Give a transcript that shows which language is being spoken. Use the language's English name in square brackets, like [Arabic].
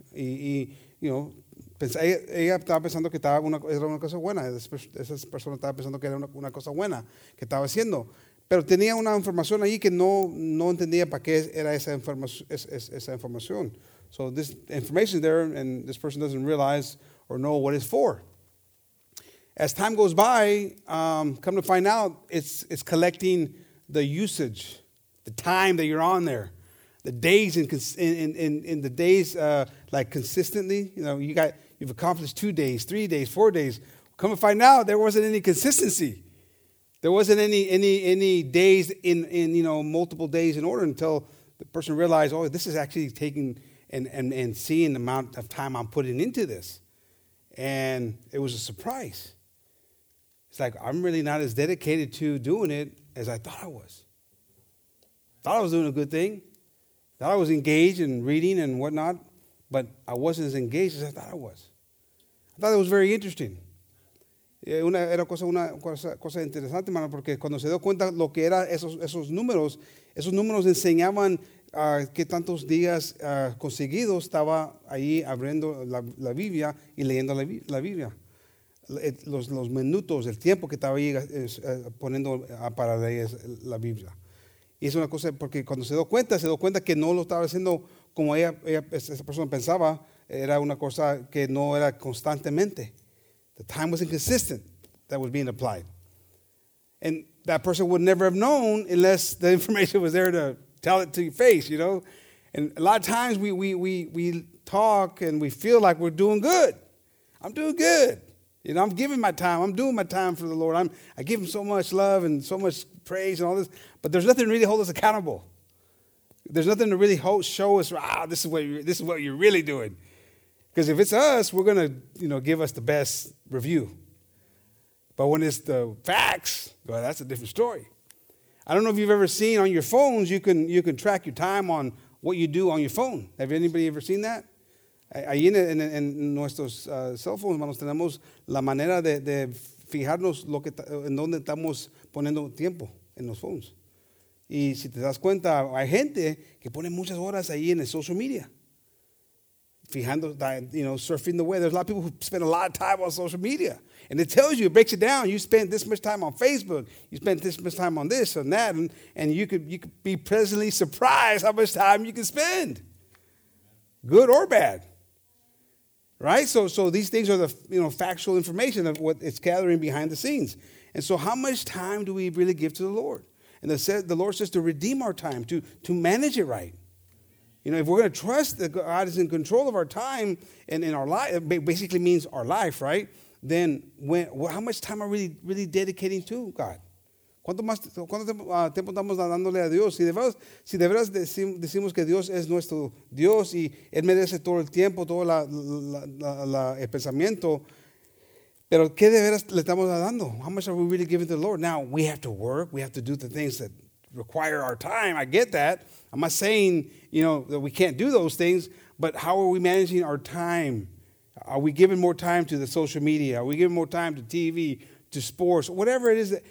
[Spanish] Ella estaba pensando que era una cosa buena. Esa persona estaba pensando que era una cosa buena que estaba haciendo. Pero tenía una información ahí que no entendía para qué era esa información. [English] So this information there, and this person doesn't realize or know what it's for. As time goes by, come to find out, it's collecting the usage, the time that you're on there. The days in the days, like consistently, you know, you've accomplished 2 days, 3 days, 4 days. Come to find out, there wasn't any consistency. There wasn't any days in you know, multiple days in order until the person realized, oh, this is actually taking and seeing the amount of time I'm putting into this. And it was a surprise. It's like, I'm really not as dedicated to doing it as I thought I was. Thought I was doing a good thing. Thought I was engaged in reading and whatnot, but I wasn't as engaged as I thought I was. I thought it was very interesting. [Spanish] Era cosa interesante, hermano, porque cuando se dio cuenta lo que eran esos números enseñaban qué tantos días conseguidos estaba ahí abriendo la Biblia y leyendo la Biblia. Los minutos, el tiempo que estaba ahí poniendo para leer la Biblia. Y es una cosa, porque cuando se dio cuenta que no lo estaba haciendo como esa persona pensaba, era una cosa que no era constantemente. [English] The time was inconsistent that was being applied. And that person would never have known unless the information was there to tell it to your face, you know. And a lot of times we talk and we feel like we're doing good. I'm doing good. You know, I'm giving my time. I'm doing my time for the Lord. I give him so much love and so much praise and all this. But there's nothing to really hold us accountable. There's nothing to really show us, this is what you're really doing. Because if it's us, we're going to, you know, give us the best review. But when it's the facts, well, that's a different story. I don't know if you've ever seen on your phones, you can track your time on what you do on your phone. Have anybody ever seen that? [Spanish] Ahí en nuestros cell phones, hermanos, tenemos la manera de fijarnos lo que en donde estamos poniendo tiempo en los phones. Y si te das cuenta, hay gente que pone muchas horas ahí en el social media. Fijando, [English] you know, surfing the web. There's a lot of people who spend a lot of time on social media. And it tells you, it breaks it down. You spend this much time on Facebook. You spend this much time on this and that. And you could be pleasantly surprised how much time you can spend. Good or bad. Right? So these things are the, you know, factual information of what it's gathering behind the scenes. And so how much time do we really give to the Lord? And the Lord says to redeem our time, to manage it right. You know, if we're going to trust that God is in control of our time and in our life, it basically means our life, right? Then how much time are we really dedicating to God? [Spanish] ¿Cuánto tiempo estamos dándole a Dios? Si de veras decimos que Dios es nuestro Dios y Él merece todo el tiempo, todo el pensamiento, pero ¿qué de veras le estamos dando? [English] How much are we really giving to the Lord? Now, we have to work. We have to do the things that require our time. I get that. I'm not saying, you know, that we can't do those things, but how are we managing our time? Are we giving more time to the social media? Are we giving more time to TV, to sports, whatever it is?